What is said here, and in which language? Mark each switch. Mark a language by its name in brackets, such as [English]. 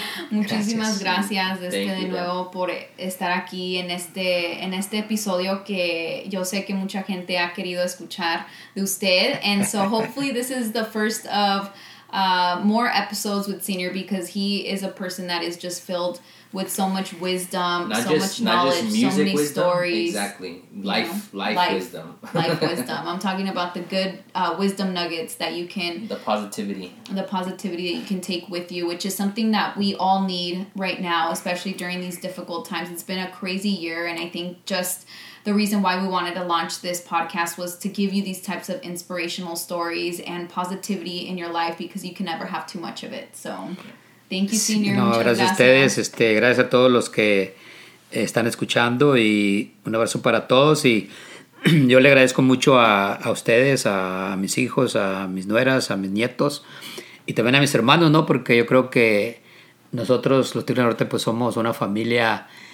[Spanish] Muchísimas gracias de nuevo por estar aquí en este episodio que yo sé que mucha gente ha querido escuchar de usted. [English] And so hopefully this is the first of more episodes with senior, because he is a person that is just filled with so much wisdom, much knowledge, so many wisdom, stories. Exactly. Life wisdom. Life wisdom. I'm talking about the good wisdom nuggets that you can... The positivity that you can take with you, which is something that we all need right now, especially during these difficult times. It's been a crazy year, and I think just the reason why we wanted to launch this podcast was to give you these types of inspirational stories and positivity in your life, because you can never have too much of it. So... Thank you, senior. [Spanish] No, gracias a ustedes. Gracias a todos los que están escuchando, y un abrazo para todos. Y yo le agradezco mucho a ustedes, a mis hijos, a mis nueras, a mis nietos y también a mis hermanos, ¿no? Porque yo creo que nosotros, los Tigres del Norte, pues somos una familia.